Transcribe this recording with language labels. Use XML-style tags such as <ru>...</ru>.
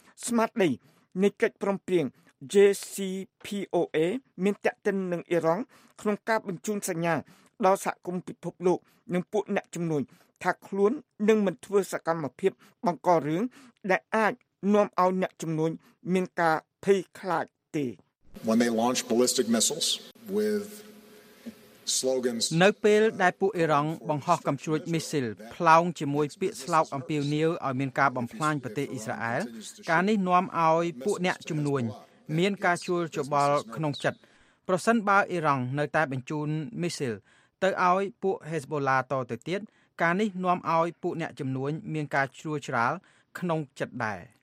<km>ស្មាតនេះនៃកិច្ចព្រមព្រៀង JCPOA មានតាក់ទិននឹងអ៊ីរ៉ង់ក្នុងការបញ្ជូនសញ្ញាដល់សហគមន៍ពិភពលោកនិងពួកអ្នកជំនួយថាខ្លួននឹងមិនធ្វើសកម្មភាពបង្ករឿងដែលអាចនាំឲ្យអ្នកជំនួយមានការភ័យខ្លាចទេ</km> <en>When they launch ballistic missiles with slogans</en> <km>នៅពេលដែលពួកអ៊ីរ៉ង់បង្ហោះកំជ្រួចមីស៊ីលផ្លោងជាមួយពាក្យស្លោកអំពាវនាវឲ្យមានការបំផ្លាញប្រទេសអ៊ីស្រាអែលការនេះនាំឲ្យពួកអ្នកជំនួយមានការជួលច្បល់ក្នុងចិត្តប្រសិនបើអ៊ីរ៉ង់នៅតែបញ្ជូនមីស៊ីលទៅឲ្យពួក Hezbollah តទៅទៀតការនេះនាំឲ្យពួកអ្នកជំនួយមានការជួលច្រាលក្នុងចិត្តដែរ</km>